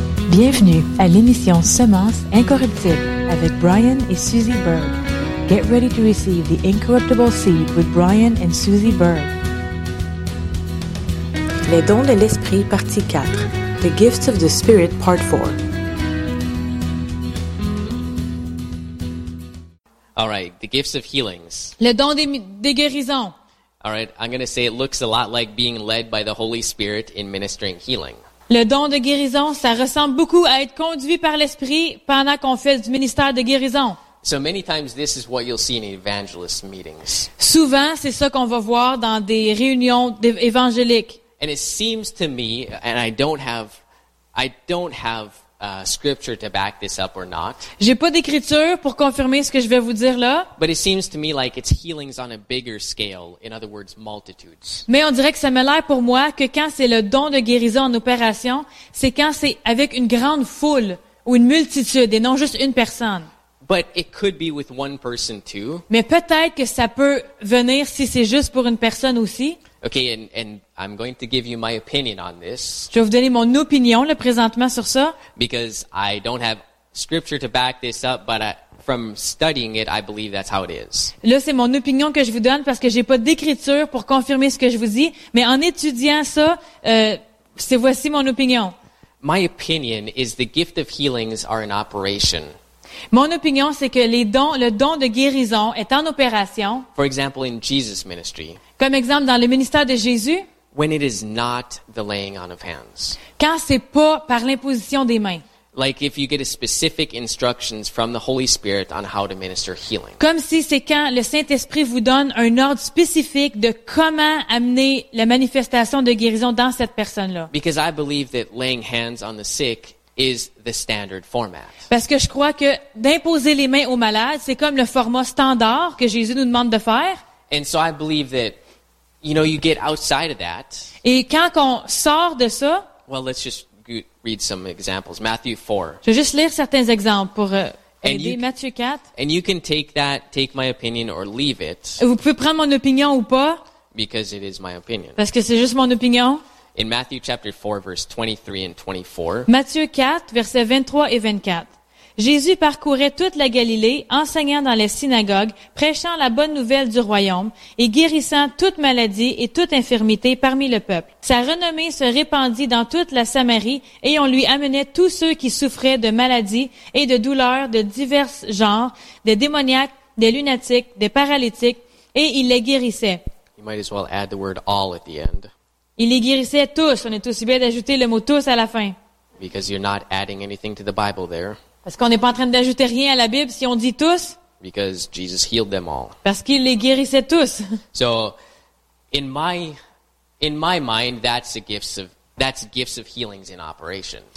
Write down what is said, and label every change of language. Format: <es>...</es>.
<fr>Bienvenue à l'émission Semence incorruptible avec Brian et Suzy Berg.</fr> <en>Get ready to receive the incorruptible seed with Brian and Suzy Berg.</en> <fr>Les dons de l'esprit, partie 4.</fr> <en>The Gifts of the Spirit, part 4. All right, the gifts of healings.</en> <fr>Les dons des guérisons.</fr> <en>All right, I'm going to say it looks a lot like being led by the Holy Spirit in ministering healing.</en> <fr>Le don de guérison, ça ressemble beaucoup à être conduit par l'Esprit pendant qu'on fait du ministère de guérison.</fr> <en>So many times this is what you'll see in evangelist meetings.</en> <fr>Souvent, c'est ça qu'on va voir dans des réunions évangéliques.</fr> <en>And it seems to me, and I don't have scripture to back this up or not.</en> <fr>J'ai pas d'écriture pour confirmer ce que je vais vous dire là.</fr> <en>But it seems to me like it's healings on a bigger scale, in other words, multitudes.</en> <fr>Mais on dirait que ça me l'air pour moi que quand c'est le don de guérison en opération, c'est quand c'est avec une grande foule ou une multitude et non juste une personne.</fr> <en>But it could be with one person too.</en> <fr>Mais peut-être que ça peut venir si c'est juste pour une personne aussi.</fr> <en>Okay, and I'm going to give you my opinion on this.</en> <fr>Je vais vous donner mon opinion là, présentement sur ça.</fr> <en>Because I don't have scripture to back this up, but from studying it, I believe that's how it is.</en> <fr>Là, c'est mon opinion que je vous donne parce que j'ai pas d'écriture pour confirmer ce que je vous dis, mais en étudiant ça, c'est voici mon opinion.</fr> <en>My opinion is the gift of healings are in operation.</en> <fr>Mon opinion, c'est que le don de guérison est en opération.</fr> <en>For example, in Jesus' ministry.</en> <fr>Comme exemple, dans le ministère de Jésus.</fr> <en>When it is not the laying on of hands.</en> <fr>Quand c'est pas par l'imposition des mains.</fr> <en>Like if you get a specific instructions from the Holy Spirit on how to minister healing.</en> <fr>Comme si c'est quand le Saint-Esprit vous donne un ordre spécifique de comment amener la manifestation de guérison dans cette personne-là.</fr> <en>Because I believe that laying hands on the sick is the standard format.</en> <fr>Parce que je crois que d'imposer les mains aux malades, c'est comme le format standard que Jésus nous demande de faire.</fr> <en>And so I believe that, you know, you get outside of that.</en> <fr>Et quand on sort de ça,</fr> <en>well, let's just read some examples. Matthew 4.</en> <fr>Je vais juste lire certains exemples pour aider Matthieu 4.</fr> <en>And you can take that, take my opinion or leave it.</en> <fr>Vous pouvez prendre mon opinion ou pas.</fr> <en>Because it is my opinion.</en> <fr>Parce que c'est juste mon opinion.</fr> <en>In Matthew chapter 4, verse 23 and 24.</en> <fr>Matthieu 4, versets 23 et 24. Jésus parcourait toute la Galilée, enseignant dans les synagogues, prêchant la bonne nouvelle du royaume et guérissant toute maladie et toute infirmité parmi le peuple. Sa renommée se répandit dans toute la Samarie et on lui amenait tous ceux qui souffraient de maladies et de douleurs de divers genres, des démoniaques, des lunatiques, des paralytiques, et il les guérissait.</fr> <en>You might as well add the word all at the end.</en> <fr>Il les guérissait tous. On est aussi bien d'ajouter le mot « tous » à la fin.</fr> <en>Because you're not adding anything to the Bible there.</en> <fr>Parce qu'on n'est pas en train d'ajouter rien à la Bible si on dit « tous ».</fr> <en>Because Jesus healed them all.</en> <fr>Parce qu'il les guérissait tous.</fr> <en>So, in my mind, that's gifts of healings in operation.</en>